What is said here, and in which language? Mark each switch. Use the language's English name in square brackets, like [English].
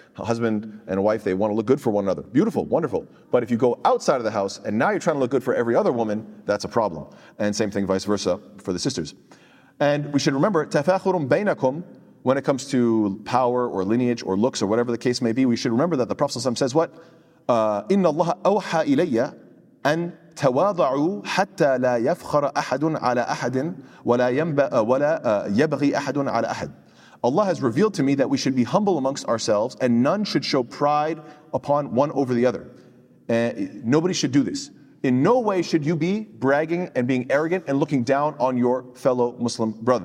[English] A husband and a wife, they want to look good for one another. Beautiful, wonderful. But if you go outside of the house and now you're trying to look good for every other woman, that's a problem. And same thing vice versa for the sisters. And we should remember, tafakhurum bainakum, when it comes to power or lineage or looks or whatever the case may be, we should remember that the Prophet ﷺ says what? [Arabic] Inna Allah awha ilayya an تواضعوا حتى لا يفخر أحد على أحد ولا يبغي أحد على أحد. [English] Allah has revealed to me that we should be humble amongst ourselves and none should show pride upon one over the other. Nobody should do this. In no way should you be bragging and being arrogant and looking down on your fellow Muslim brother.